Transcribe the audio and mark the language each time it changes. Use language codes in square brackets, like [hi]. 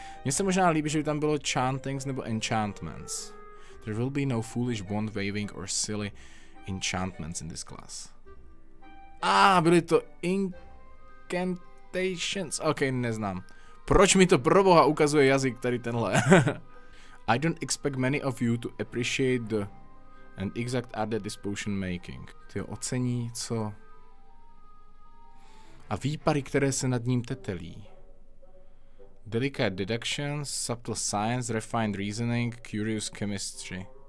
[cs] Mně se možná líbí, že by tam bylo chantings nebo enchantments. [en] There will be no foolish wand waving or silly enchantments in this class. [cs] Byly to incantations. Ok, neznám. Proč mi to pro boha ukazuje jazyk tady tenhle? [en] I don't expect many of you to appreciate the and exact art that this potion making. [cs] Ty ocení, co? A výpary, které se nad ním tetelí. [en] Delicate deductions, subtle science, refined reasoning, curious chemistry.